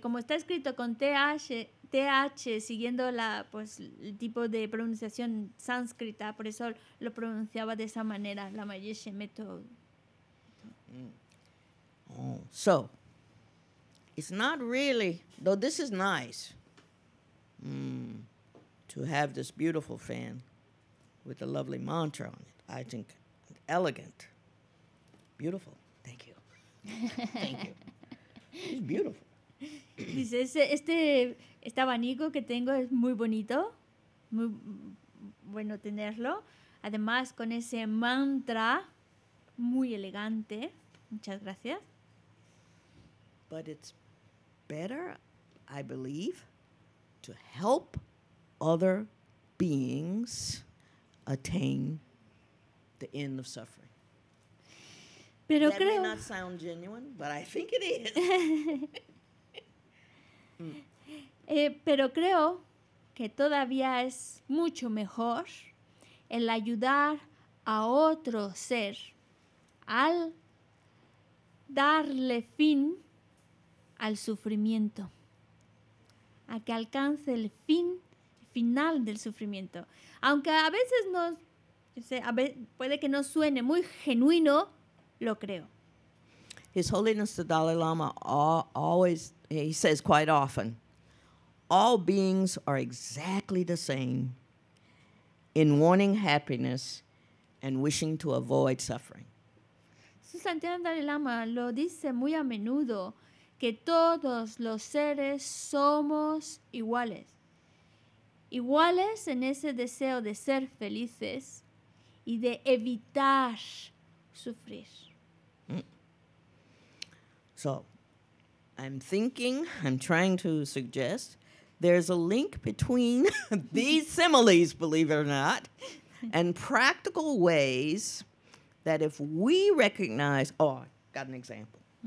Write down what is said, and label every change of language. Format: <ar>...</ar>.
<es>Como está escrito con TH, siguiendo la, pues, el tipo de pronunciación sánscrita, por eso lo pronunciaba de esa manera, la Mayeshe method.</es> <en>So, it's not really, though this is nice, to have this beautiful fan with a lovely mantra on it. I think elegant, beautiful. Thank you. Thank you. It's beautiful.</en> <es>Dice, este abanico que tengo es muy bonito, muy bueno tenerlo. Además, con ese mantra, muy elegante. Muchas gracias.</es> <en>But it's better, I believe, to help other beings attain the end of suffering.</en> <es>Pero</es> <en>that</en> <es>creo</es> <en>may not sound genuine, but I think it is.</en> <es>Pero creo que todavía es mucho mejor el ayudar a otro ser al darle fin al sufrimiento, a que alcance el fin final del sufrimiento. Aunque a veces puede que no suene muy genuino, lo creo.</es> <en>His Holiness the Dalai Lama always, he says quite often, all beings are exactly the same in wanting happiness and wishing to avoid suffering.</en> <es>Su Santidad Dalai Lama lo dice muy a menudo, que todos los seres somos iguales. Iguales en ese deseo de ser felices y de evitar sufrir.</es> <en>So, I'm thinking, I'm trying to suggest, there's a link between these similes, believe it or not, and practical ways that if we recognize, oh, I got an example.</en>